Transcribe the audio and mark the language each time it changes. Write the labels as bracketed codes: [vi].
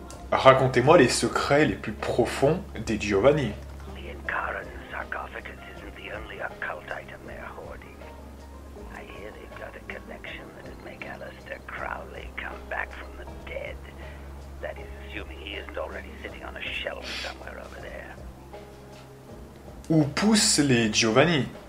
[fr] Racontez-moi les secrets les plus profonds des Giovanni. [en] The Incaran sarcophagus isn't the only occult item they're hoarding. I hear they've got a connection that'd make Aleister Crowley come back from the dead. That is, assuming he isn't already sitting on a shelf somewhere over there. [fr] Où poussent les Giovanni?